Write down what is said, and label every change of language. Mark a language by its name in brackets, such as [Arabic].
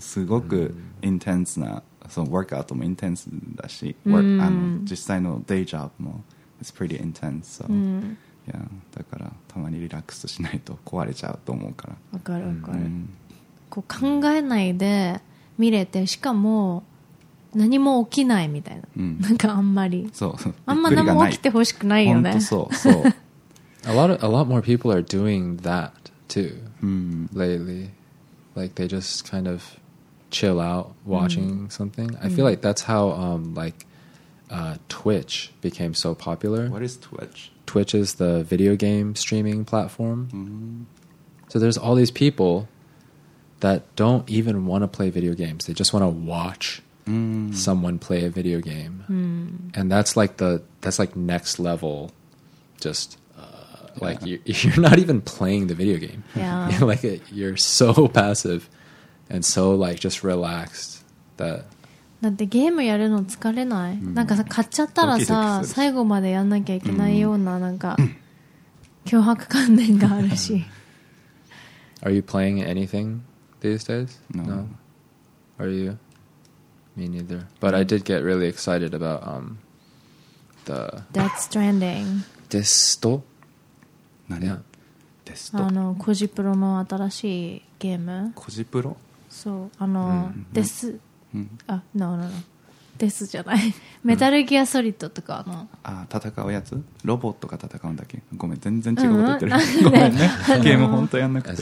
[Japanese] すごくインテンスな、そのワークアウトもインテンスだし、うん、実際のデイジョブも [English] It's pretty intense、so. [Japanese] うん、いやだからたまにリラックスしないと壊れちゃうと思うから、わかるわかる、うん、こう考えないで見れて、しかも何も起きないみたいな、うん、なんかあんまり、そうあんま何も起きてほしくないよね、本当そう [English] そうA lot more people are doing that too、うん、lately like they just kind of chill out watching、うん、something I feel like that's how、likeTwitch became so popular. What is Twitch? Twitch is the video game streaming platform. Mm-hmm. So there's all these people that don't even want to play video games. They just want to watch、 mm. someone play a video game.、 Mm. And that's like the, that's like next level. Just、yeah. like you're not even playing the video game. Yeah. Like you're so passive and so like just relaxed that... [Japanese] だってゲームやるの疲れない、うん、なんかさ買っちゃったらさ最後までやんなきゃいけないような、うん、なんか脅迫観念があるし [English] Are you playing anything these days? No. No? Are you? Me neither. But I did get really excited about the Death Stranding. [Japanese] デスト？何や？デスト？あのコジプロの新しいゲーム。コジプロ？そう、あの、うん、デス、ノーノーノーデスじゃないメタルギアソリッドとかの、うん、あ戦うやつ、ロボットが戦うんだっけ、ごめん全然違うこと言ってる、うん、ごめんね、ゲーム本当やんなくて、